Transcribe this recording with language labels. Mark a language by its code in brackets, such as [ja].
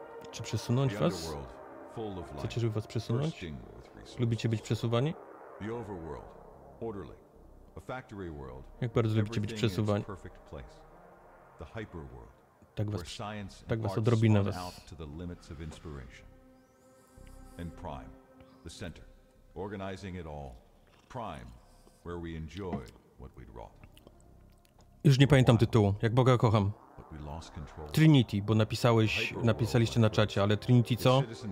[pl] Czy przesunąć was? Chcecie, żeby was przesunąć? Lubicie być przesuwani? [en] The overworld, orderly, a factory world. [pl] Jak bardzo lubicie być przesuwani. [en] The hyperworld. [pl] Tak was odrobinę was. [en] To the limits of inspiration. And Prime, the center, organizing it all. Prime, where we enjoyed what we'd wrought. [pl] Już nie pamiętam tytułu. Jak Boga kocham. Trinity, bo napisaliście na czacie, ale Trinity co?